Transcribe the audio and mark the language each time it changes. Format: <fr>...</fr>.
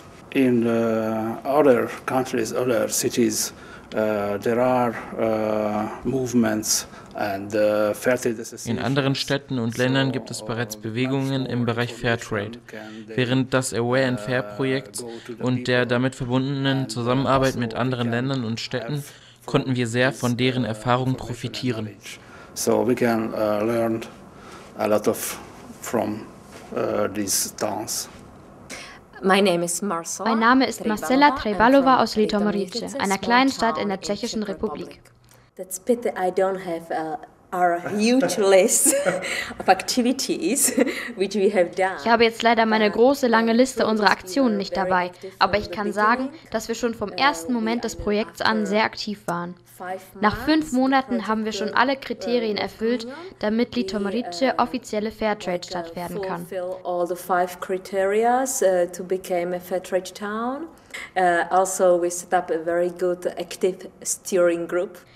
<en>In other countries, other cities, there are movements.</en> <de>In anderen Städten und Ländern gibt es bereits Bewegungen im Bereich Fairtrade. Während das Aware and Fair Projekt und der damit verbundenen Zusammenarbeit mit anderen Ländern und Städten konnten wir sehr von deren Erfahrungen profitieren.</de> <en>So we can learn a lot of from these towns.</en> <de>Mein Name ist Marcela Trebalova aus Litomirice, einer kleinen Stadt in der Tschechischen Republik.</de> <en>That's pity I don't have our huge list of activities which we have done.</en> <de>Ich habe jetzt leider meine große lange Liste unserer Aktionen nicht dabei, aber ich kann sagen, dass wir schon vom ersten Moment des Projekts an sehr aktiv waren. Nach 5 Monaten haben wir schon alle Kriterien erfüllt, damit Litomirice offizielle Fairtrade-Stadt werden kann.</de> <en>Also we set up a very good active steering group.</en>